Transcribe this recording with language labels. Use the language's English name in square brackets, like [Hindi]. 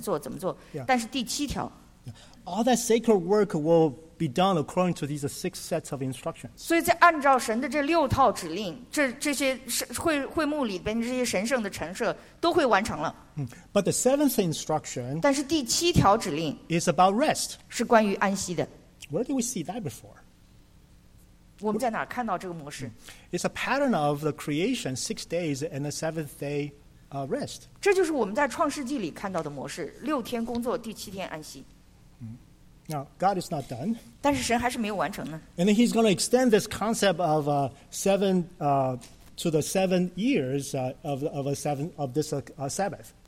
[Chinese] 因为前面六次神耶和华晓谕摩西说，都是在给他讲具体的这个会幕里边的陈设应该是怎么做，怎么做。但是第七条。 [English] All that sacred work will be done according to these six sets of instructions. [Chinese] 所以在按照神的这六套指令，这些会幕里边这些神圣的陈设都会完成了。 [English] But the seventh instruction. [Chinese] 但是第七条指令 [English] is about rest. [Chinese] 是关于安息的。 [English] Where do we see that before? [Chinese] 我们在哪看到这个模式？ [English] It's a pattern of the creation, 6 days and the seventh day rest. [Chinese] 这就是我们在创世纪里看到的模式，六天工作，第七天安息。 [English] Now, God is not done. [Chinese] 但是神还是没有完成呢。 [English] And then he's going to extend this concept of seven to the 7 years of this Sabbath.